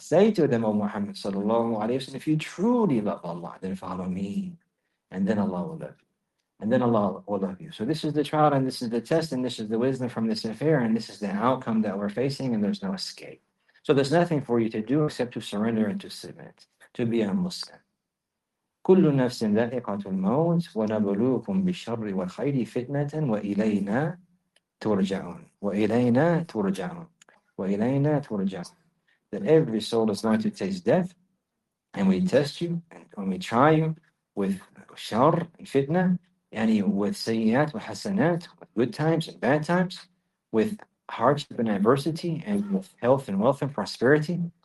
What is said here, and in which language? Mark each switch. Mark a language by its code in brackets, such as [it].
[en] Say to them, O Muhammad sallallahu alayhi wa sallam, if you truly love Allah, then follow me, and then Allah will love you. And then Allah will love you. So this is the trial, and this is the test, and this is the wisdom from this affair, and this is the outcome that we're facing, and there's no escape. So there's nothing for you to do except to surrender and to submit, to be a Muslim. [ar] كل نفس ذائقة الموت ونبلوكم بالشر والخير فتنة وإلينا ترجعون وإلينا ترجعون وإلينا ترجعون. [en] That every soul is going to taste death, and we test you and we try you with [ar] شر فتنة, يعني [en] with [ar] سيئات وحسنات, [en] with good times and bad times, with hardship and adversity, and with health and wealth and prosperity.